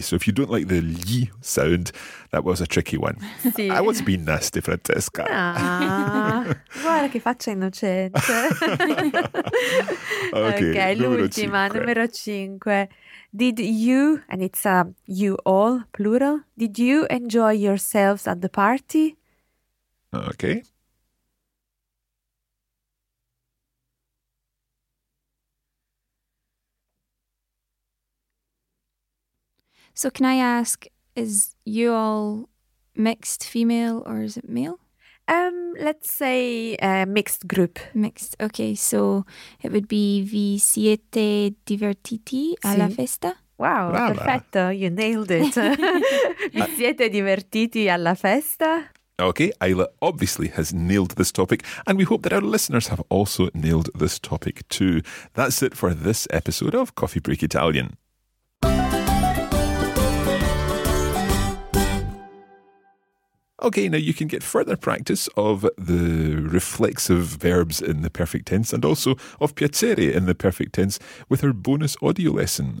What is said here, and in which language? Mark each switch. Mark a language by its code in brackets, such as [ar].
[en] So if you don't like the gli sound, that was a tricky one. [it] Sì. [en] I was being nasty, Francesca. [it] Ah, guarda che faccia innocente. [en] Okay, [it] okay, l'ultima, numero 5. [en] Did you, and it's you all, plural, did you enjoy yourselves at the party? Okay. So can I ask, is you all mixed female or is it male? Let's say mixed group. Mixed, okay. So it would be [it] vi siete divertiti alla festa? [en] Wow, [it] brava. [en] Perfetto, you nailed it. [it] Vi siete divertiti alla festa? [en] Okay, Ayla obviously has nailed this topic, and we hope that our listeners have also nailed this topic too. That's it for this episode of Coffee Break Italian. Okay, now you can get further practice of the reflexive verbs in the perfect tense and also of piacere in the perfect tense with our bonus audio lesson.